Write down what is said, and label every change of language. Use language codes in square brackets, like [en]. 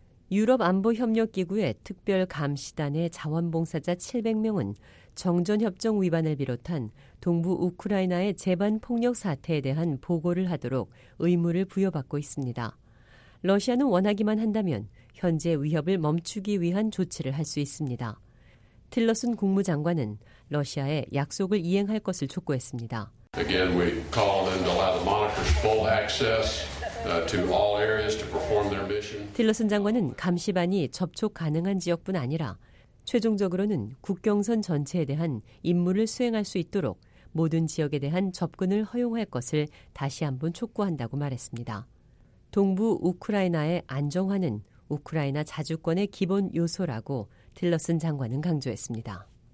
[ko] 유럽 안보협력기구의 특별감시단의 자원봉사자 700명은 정전협정 위반을 비롯한 동부 우크라이나의 재반폭력 사태에 대한 보고를 하도록 의무를 부여받고 있습니다. 러시아는 원하기만 한다면 현재 위협을 멈추기 위한 조치를 할 수 있습니다. 틸러슨 국무장관은 러시아에 약속을 이행할 것을 촉구했습니다. [en] Again, we call them to allow the monitors full access to all areas to perform their mission. [ko] 틸러슨 장관은 감시반이 접촉 가능한 지역뿐 아니라 최종적으로는 국경선 전체에 대한 임무를 수행할 수 있도록 모든 지역에 대한 접근을 허용할 것을 다시 한번 촉구한다고 말했습니다. 동부 우크라이나의 안정화는 우크라이나 자주권의 기본 요소라고 틸러슨 장관은 강조했습니다.